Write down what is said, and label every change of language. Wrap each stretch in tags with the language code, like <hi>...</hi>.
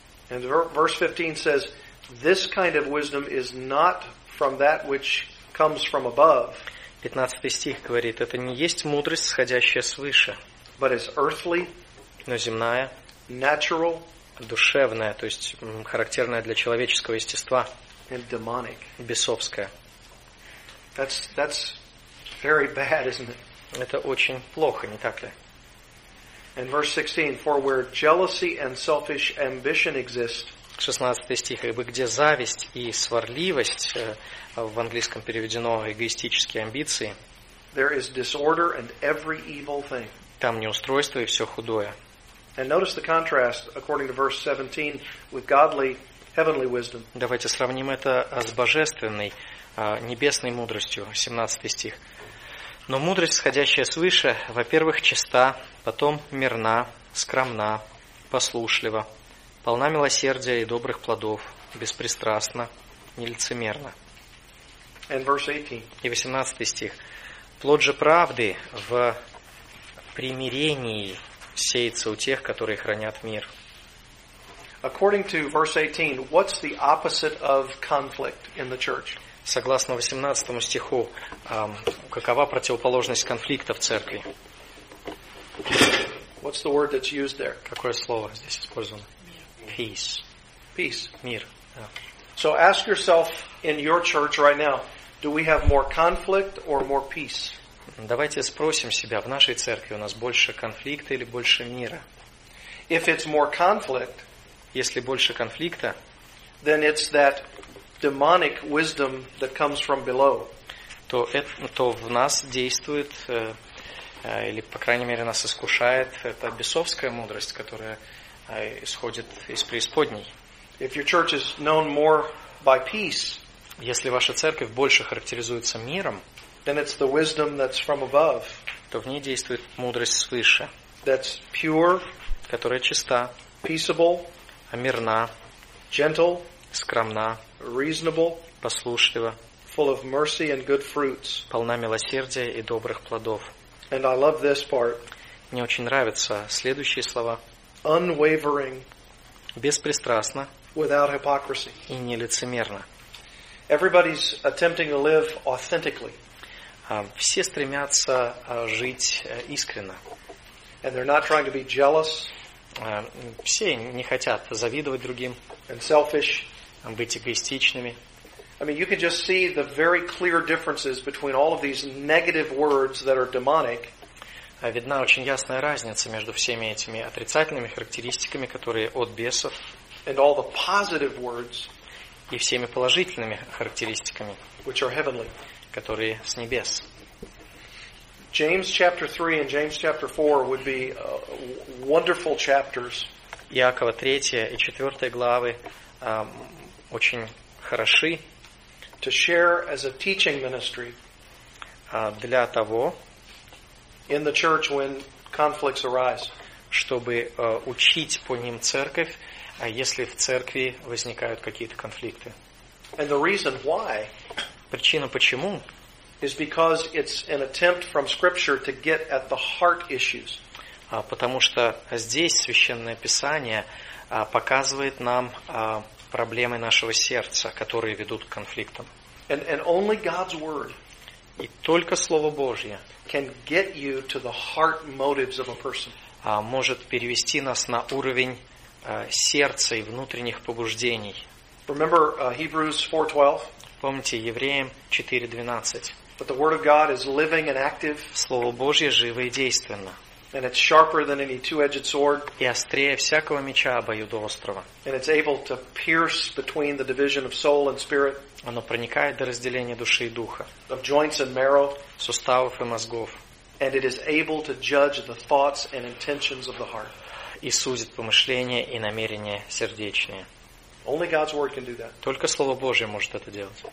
<en>And verse 15 says, this kind of wisdom is not from that which comes from above.</en> <ru>15 стих говорит, это не есть мудрость, сходящая свыше.</ru> <en>But it's earthly.</en> <ru>Но земная.</ru> <en>Natural.</en> <ru>Душевная, то есть характерная для человеческого естества.</ru> <en>And demonic.</en> <ru>Бесовская.</ru> <en>That's very bad, isn't it?</en> <ru>Это очень плохо, не так ли?</ru> <en>And verse 16, for where jealousy and selfish ambition exist.</en> <ru>16 стих, ибо где зависть и сварливость, в английском переведено эгоистические амбиции.</ru> <en>There is disorder and every evil thing.</en> <ru>Там неустройство и все худое.</ru> <en>And notice the contrast according to verse 17 with godly heavenly wisdom.</en> <ru>Давайте сравним это с божественной небесной мудростью, 17 стих. Но мудрость, сходящая свыше, во-первых, чиста, потом мирна, скромна, послушлива, полна милосердия и добрых плодов, беспристрастна, нелицемерна.</ru> <en>And verse 18.</en> <ru>И 18 стих. Плод же правды в примирении сеется у тех, которые хранят мир.</ru> <en>According to verse 18, what's the opposite of conflict in the church?</en> <ru>Согласно 18 стиху, какова противоположность конфликта в церкви?</ru> <en>What's the word that's used there?</en> <ru>Какое слово здесь использовано?</ru> <en>Peace. Peace.</en> <ru>Мир.</ru> <en>So ask yourself in your church right now, do we have more conflict or more peace?</en> <ru>Давайте спросим себя, в нашей церкви у нас больше конфликта или больше мира?</ru> <en>If it's more conflict,</en> <ru>если больше конфликта,</ru> <en>then it's that demonic wisdom that comes from below.</en> <ru>То в нас действует, или, по крайней мере, нас искушает, это бесовская мудрость, которая исходит из преисподней.</ru> <en>If your church is known more by peace,</en> <ru>если ваша церковь больше характеризуется миром,</ru> <en>then it's the wisdom that's from above,</en> <ru>то в ней действует мудрость свыше,</ru> <en>that's pure,</en> <ru>которая чиста,</ru> <en>peaceable,</en> <ru>мирна,</ru> <en>gentle,</en> <ru>скромна,</ru> <en>reasonable,</en> <ru>послушлива,</ru> <en>full of mercy and good fruits,</en> <ru>полна милосердия и добрых плодов.</ru> <en>And I love this part.</en> <ru>Мне очень нравятся следующие слова.</ru> <en>Unwavering,</en> <ru>беспристрастно,</ru> <en>without hypocrisy,</en> <ru>и нелицемерно.</ru> <en>Everybody's attempting to live authentically.</en> <ru>Все стремятся жить искренно.</ru> <en>And they're not trying to be jealous.</en> <ru>Все не хотят завидовать другим.</ru> <en>And selfish,</en> <ru>быть эгоистичными.</ru> <en>I mean, you can just see the very clear differences between all of these negative words that are demonic.</en> <ru>Видна очень ясная разница между всеми этими отрицательными характеристиками, которые от бесов,</ru> <en>and all the positive words,</en> <ru>и всеми положительными характеристиками,</ru> <en>which are heavenly,</en> <ru>которые с небес.</ru> <en>James chapter 3 and James chapter 4 would be wonderful chapters.</en> <ru>Иакова 3 и 4 главы очень хороши.</ru> <en>To share as a teaching ministry.</en> <ru>Для того.</ru> <en>In the church when conflicts arise.</en> <ru>Чтобы учить по ним церковь, если в церкви возникают какие-то конфликты.</ru> <en>And the reason why.</en> <ru>Причина почему.</ru> <en>Is because it's an attempt from Scripture to get at the heart issues.</en> <ru>Потому что здесь Священное Писание показывает нам проблемы нашего сердца, которые ведут к конфликтам.</ru> <en>And only God's word,</en> <ru>и только Слово Божье,</ru> <en>can get you to the heart motives of a person.</en> <ru>Может перевести нас на уровень сердца и внутренних побуждений.</ru> <en>Remember Hebrews 4:12.</en> <ru>Помните Евреям 4:12.</ru> <en>But the Word of God is living and active.</en> <ru>Слово Божье живо и действенно.</ru> <en>And it's sharper than any two-edged sword.</en> <ru>И острее всякого меча обоюдоострого.</ru> <en>And it's able to pierce between the division of soul and spirit.</en> <ru>Оно проникает до разделения души и духа.</ru> <en>Of joints and marrow.</en> <ru>Суставов и мозгов.</ru> <en>And it is able to judge the thoughts and intentions of the heart.</en> <ru>И судит помышления и намерения сердечные.</ru> <en>Only God's word can do that.</en> <ru>Только Слово Божье может это делать.</ru>